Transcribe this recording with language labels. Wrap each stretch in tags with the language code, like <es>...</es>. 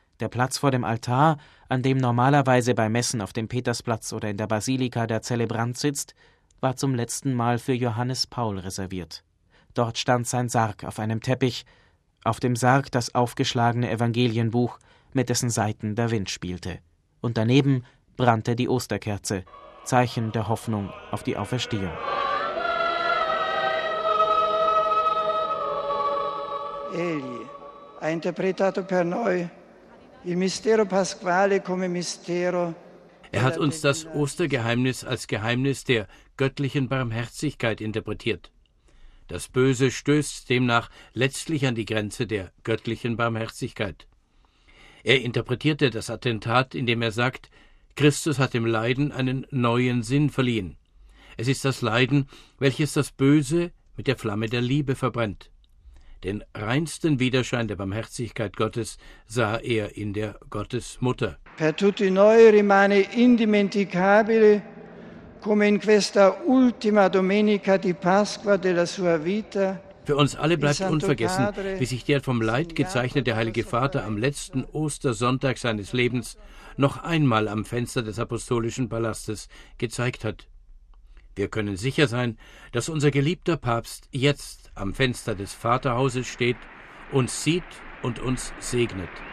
<de>Der Platz vor dem Altar, an dem normalerweise bei Messen auf dem Petersplatz oder in der Basilika der Zelebrant sitzt, war zum letzten Mal für Johannes Paul reserviert. Dort stand sein Sarg auf einem Teppich, auf dem Sarg das aufgeschlagene Evangelienbuch, mit dessen Seiten der Wind spielte. Und daneben brannte die Osterkerze, Zeichen der Hoffnung auf die Auferstehung.</de> <it>Egli ha interpretato per noi il mistero pasquale come mistero.</it> <de>Er hat uns das Ostergeheimnis als Geheimnis der göttlichen Barmherzigkeit interpretiert. Das Böse stößt demnach letztlich an die Grenze der göttlichen Barmherzigkeit. Er interpretierte das Attentat, indem er sagt: Christus hat dem Leiden einen neuen Sinn verliehen. Es ist das Leiden, welches das Böse mit der Flamme der Liebe verbrennt. Den reinsten Widerschein der Barmherzigkeit Gottes sah er in der Gottesmutter.</de> <it>Per tutti noi rimane indimenticabile, come in questa ultima domenica di Pasqua della sua vita.</it> <de>Für uns alle bleibt unvergessen, wie sich der vom Leid gezeichnete Heilige Vater am letzten Ostersonntag seines Lebens noch einmal am Fenster des Apostolischen Palastes gezeigt hat. Wir können sicher sein, dass unser geliebter Papst jetzt am Fenster des Vaterhauses steht, uns sieht und uns segnet.</de>